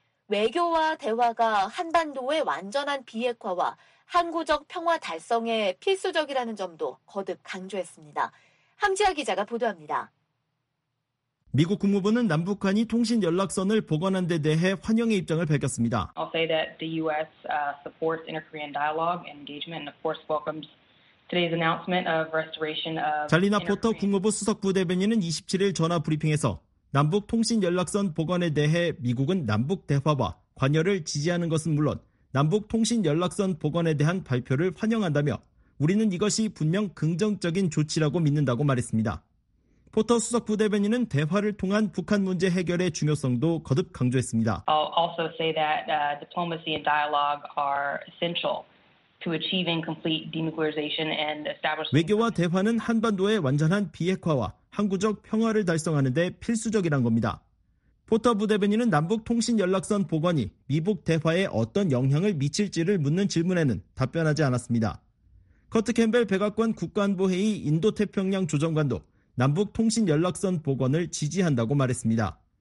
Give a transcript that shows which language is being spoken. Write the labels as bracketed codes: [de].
[ko] 외교와 대화가 한반도의 완전한 비핵화와 항구적 평화 달성에 필수적이라는 점도 거듭 강조했습니다. 함지아 기자가 보도합니다. 미국 국무부는 남북한이 통신 연락선을 복원한 데 대해 환영의 입장을 밝혔습니다. [en] I'll say that the U.S. supports inter-Korean dialogue and engagement and of course welcomes today's announcement of restoration of. [ko] 잘리나 포터 국무부 수석 부대변인은 27일 전화 브리핑에서 남북 통신 연락선 복원에 대해 미국은 남북 대화와 관여를 지지하는 것은 물론 남북 통신 연락선 복원에 대한 발표를 환영한다며 우리는 이것이 분명 긍정적인 조치라고 믿는다고 말했습니다. 포터 수석 부대변인은 대화를 통한 북한 문제 해결의 중요성도 거듭 강조했습니다. [en] I'll also say that diplomacy and dialogue are essential to achieving complete denuclearization and establishing. [ko] 외교와 대화는 한반도의 완전한 비핵화와 항구적 평화를 달성하는 데 필수적이란 겁니다. 포터 부대변인은 남북 통신 연락선 복원이 미북 대화에 어떤 영향을 미칠지를 묻는 질문에는 답변하지 않았습니다. 커트 캠벨 백악관 국가안보회의 인도태평양 조정관도 남북 통신 연락선 복원을 지지한다고 말했습니다.